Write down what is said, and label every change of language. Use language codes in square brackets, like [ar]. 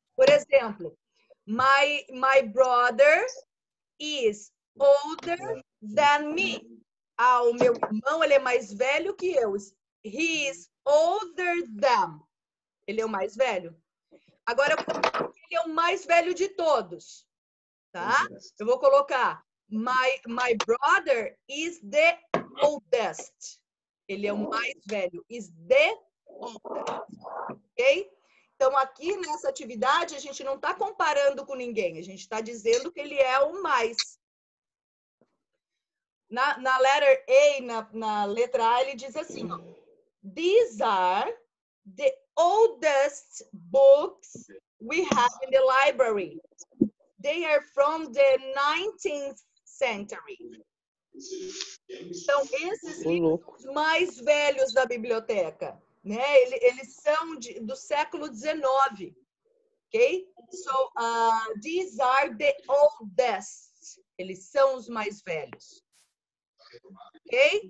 [pt] Por exemplo, [en] my brother is older than me. [pt] Ah, o meu irmão, ele é mais velho que eu. [en] He is older than. [pt] Ele é o mais velho. Agora, ele é o mais velho de todos, tá? Eu vou colocar, [en] my brother is the oldest. [pt] Ele é o mais velho. [en] Is the oldest. [pt] Ok? Então, aqui nessa atividade, a gente não está comparando com ninguém. A gente está dizendo que ele é o mais. Na letter A, na letra A, ele diz assim. [en] Ó, these are the oldest books we have in the library. They are from the 19th century. [pt] Então, esses livros são os mais velhos da biblioteca, né? Eles são do século XIX, ok? [en] So, these are the oldest. [pt] Eles são os mais velhos. Ok?